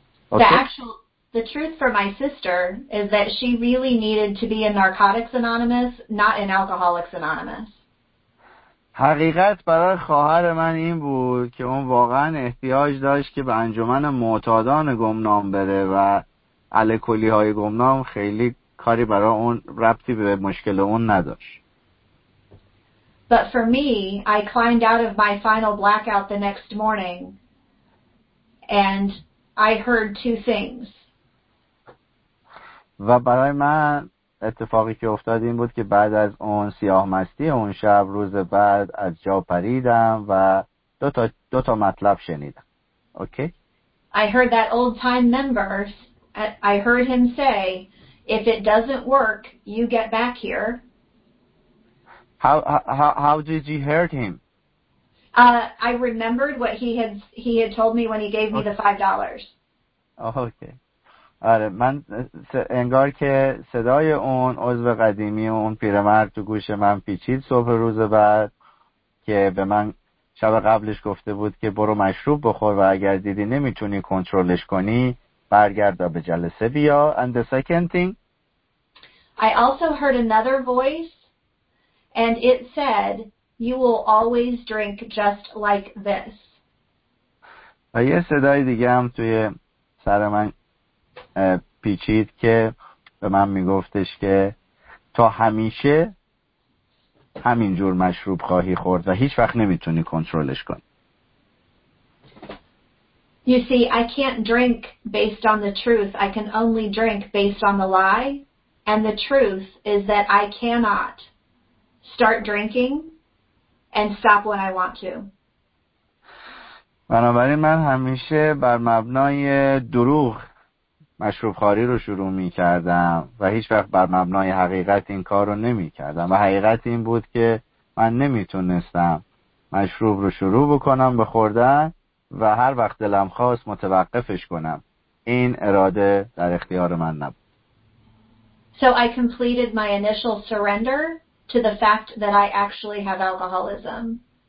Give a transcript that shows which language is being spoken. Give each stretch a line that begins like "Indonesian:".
English: The truth for my sister is that she really needed to be in Narcotics Anonymous, not in Alcoholics Anonymous.
Persian: حقیقت برای خواهر من این بود که اون واقعا احتیاج داشت که به انجمن معتادان گمنام بره و الکلی‌های گمنام خیلی کاری برای اون ربطی به مشکل اون نداشت.
English: But for me, I climbed out of my final blackout the next morning and I heard 2 things.
Persian: و برای من اتفاقی که افتاد این بود که بعد از اون سیاه مستی اون شب روز بعد از جا پریدم و دو تا مطلب شنیدم. اوکی؟
English: I heard that old time member, I heard him say if it doesn't work, you get back here. How did you hear him? I remembered what he had told me when he gave me the $5. Okay.
Persian: آره من انگار که صدای اون عضو قدیمی اون پیرمرد تو گوش من پیچید صبح روز بعد که به من شب قبلش گفته بود که برو مشروب بخور و اگر دیدی نمیتونی کنترلش کنی برگرد به جلسه بیا.
English: And the second thing, I also heard another voice, and it said, "You will always drink just like this."
Persian: و یه صدای دیگه هم توی سر من پیچید که به من میگفتش که تو همیشه همین جور مشروب خواهی خورد و هیچ وقت نمیتونی کنترلش کنی.
English: You see, I can't drink based on the truth. I can only drink based on the lie. And the truth is that I cannot start drinking and stop when I want to.
Persian: بنابراین من همیشه بر مبنای دروغ مشروب خواری رو شروع می کردم و هیچ وقت بر مبنای حقیقت این کار رو نمی کردم و حقیقت این بود که من نمی تونستم مشروب رو شروع بکنم به خوردن و هر وقت دلم خواست متوقفش کنم. این اراده در اختیار من نبود.
English: So I completed my initial surrender to the fact that I actually have alcoholism.